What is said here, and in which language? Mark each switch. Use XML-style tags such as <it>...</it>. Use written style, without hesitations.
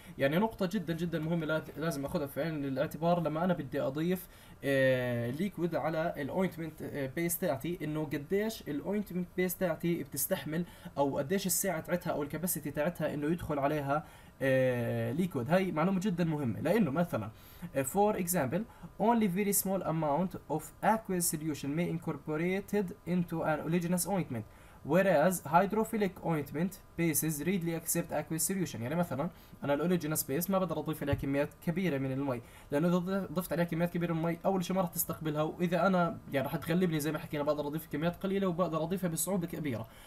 <ar>يعني نقطة جدا جدا مهمة لازم أخذها في عين الاعتبار لما أنا بدي أضيف ليكويد على الاوينتمنت بيس تاعتي إنه قديش الاوينتمنت بيس تاعتي بتستحمل أو قديش الساعة تاعتها أو الكباسيتي تاعتها إنه يدخل عليها ليكويد. هاي معلومة جدا مهمة لأنه مثلا</ar> <en>for example only very small amount of aqueous solution may incorporated into an oligenous ointment whereas hydrophilic ointment bases readily accept aqueous solution.</en> <ar>يعني مثلا انا الاوليجينس بيس ما بقدر اضيف عليها كميات كبيره من المي لانه اذا ضفت عليها كميات كبيره من المي اول شيء ما راح تستقبلها واذا انا يعني راح تغلبني زي ما حكينا بقدر اضيف كميات قليله وبقدر اضيفها بصعوبه كبيره.</ar>